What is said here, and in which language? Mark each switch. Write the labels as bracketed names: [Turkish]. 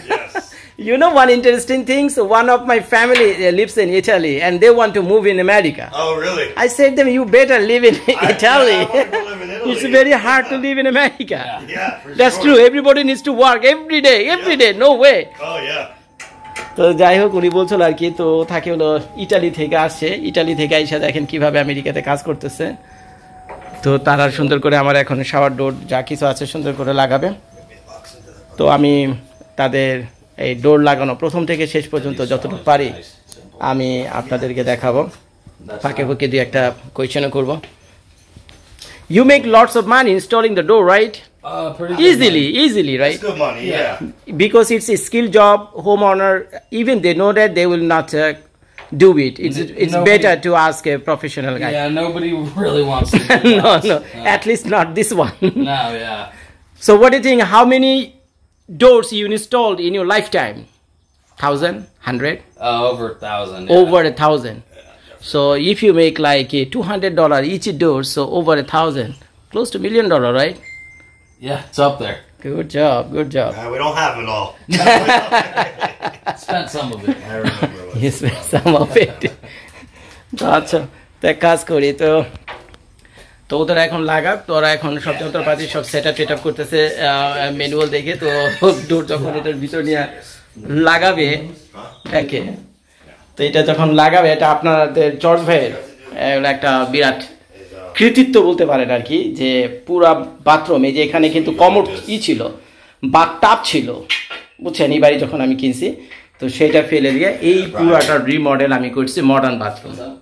[English] Yes. You know one interesting thing? So one of my family lives in Italy and they want to move in America. Oh, really? I said to them, you better live in Italy. I want to live in Italy. It's very hard to live in America. Yeah, for sure. That's true. Everybody needs to work every day, every day. No way. Oh, yeah. [Bangla] তো যাই হোক, উনি বলছিল আর কি, তো থাকে হলো Italy থেকে আসছে, ইটালি থেকে আইসা দেখেন কীভাবে আমেরিকাতে কাজ করতেছে। তো তারা সুন্দর করে আমার এখন শাওয়ার ডোর যা কিছু আছে সুন্দর করে লাগাবে, তো আমি তাদের এই ডোর লাগানো প্রথম থেকে শেষ পর্যন্ত যতটুকু পারি আমি আপনাদেরকে দেখাবো, ফাঁকে ফুঁকে দুই একটা কোয়েশ্চেনও করবো। [English] You make lots of money installing the door, right? Easily, right? It's good money, yeah. Because it's a skilled job, homeowner, even they know that they will not do it. It's better to ask a professional guy. Yeah, nobody really wants to do that. No, at least not this one. No, yeah. So what do you think, how many doors you installed in your lifetime? 1,000? 100? Over 1,000, yeah. Over 1,000. Yeah, so if you make like $200 each door, so over 1,000, close to $1 million, right? Yeah, it's up there. Good job. We don't have it all. Spent some of it. I remember what you spent some of it. [Bangla] আচ্ছা, কাজ করি তো। তো ওদের এখন লাগাক, তো ওরা এখন সব যন্ত্রপাতি সব সেট আপ টেটআপ করতেছে ম্যানুয়াল দেখে, তো ডোর যখন এটার ভিতর নিয়ে লাগাবে একে, তো এটা যখন লাগাবে এটা আপনাদের জর্জ ভাইয়ের একটা বিরাট কৃতিত্ব বলতে পারেন আর কি, যে পুরো বাথরুমে যে এখানে কিন্তু কমোড ই ছিল বা টাব ছিল, বুঝছেন, এই বাড়ি যখন আমি কিনছি, তো সেটা ফেলে দিয়ে এই পুরোটা রিমডেল আমি করছি, মডার্ন বাথরুম।